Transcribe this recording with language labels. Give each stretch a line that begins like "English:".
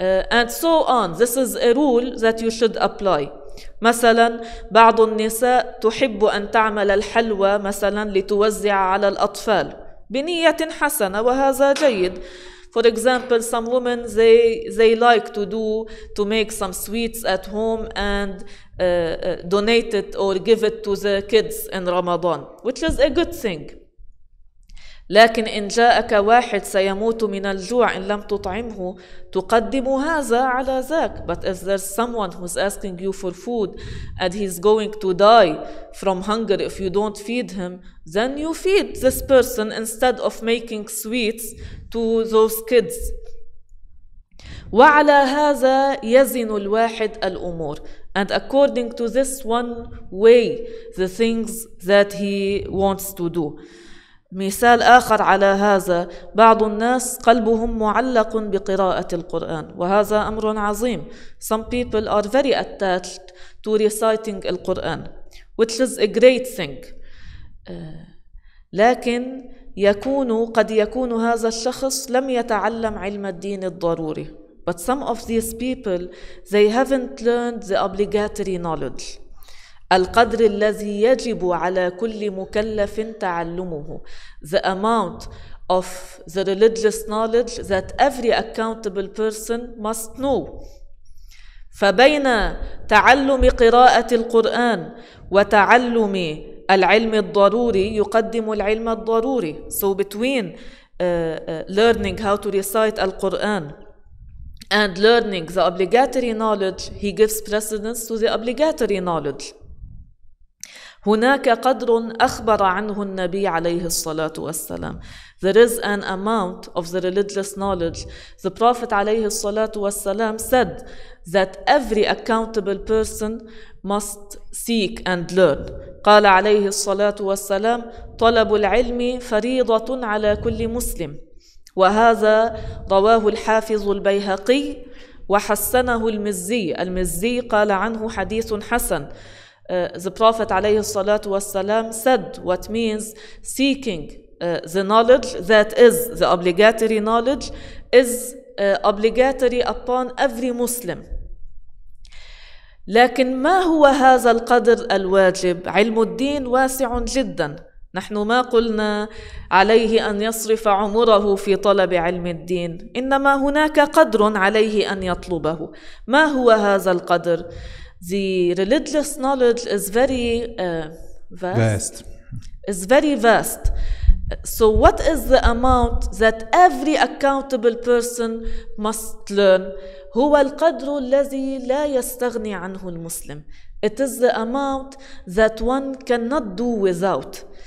English: And so on. This is a rule that you should apply.
Arabic: مثلا بعض النساء تحب أن تعمل الحلوى مثلا لتوزع على الأطفال بنية حسنة وهذا جيد.
English: For example, some women they like to make some sweets at home and donate it or give it to the kids in Ramadan, which is a good thing.
Arabic: لكن إن جاءك واحد سيموت من الجوع إن لم تطعمه تقدم هذا على ذاك.
English: But if there's someone who's asking you for food and he's going to die from hunger if you don't feed him, then you feed this person instead of making sweets to those kids.
Arabic: وعلى هذا يزن الواحد الأمور.
English: And according to this one way, the things that he wants to do.
Arabic: مثال آخر على هذا، بعض الناس قلبهم معلق بقراءة القرآن، وهذا أمر عظيم.
English: Some people are very attached to reciting the Quran, which is a great thing.
Arabic: لكن قد يكون هذا الشخص لم يتعلم علم الدين الضروري.
English: But some of these people, they haven't learned the obligatory knowledge.
Arabic: القدر الذي يجب على كل مكلف تعلمه.
English: The amount of the religious knowledge that every accountable person must know.
Arabic: فبين تعلم قراءة القرآن وتعلم العلم الضروري يقدم العلم الضروري.
English: So between learning how to recite القرآن and learning the obligatory knowledge, he gives precedence to the obligatory knowledge.
Arabic: هناك قدر أخبر عنه النبي عليه الصلاة والسلام.
English: There is an amount of the religious knowledge. The Prophet عليه الصلاة والسلام said that every accountable person must seek and learn.
Arabic: قال عليه الصلاة والسلام طلب العلم فريضة على كل مسلم. وهذا رواه الحافظ البيهقي وحسنه المزي. المزي قال عنه حديث حسن.
English: The Prophet عليه الصلاة والسلام said what means seeking the knowledge that is the obligatory knowledge is obligatory upon every Muslim.
Arabic: لكن ما هو هذا القدر الواجب؟ علم الدين واسع جدا. نحن ما قلنا عليه أن يصرف عمره في طلب علم الدين، إنما هناك قدر عليه أن يطلبه. ما هو هذا القدر؟
English: The religious knowledge is very vast. It's very vast. So what is the amount that every accountable person must learn?
Arabic: هو القدر الذي لا يستغني عنه المسلم.
English: It is the amount that one cannot do without.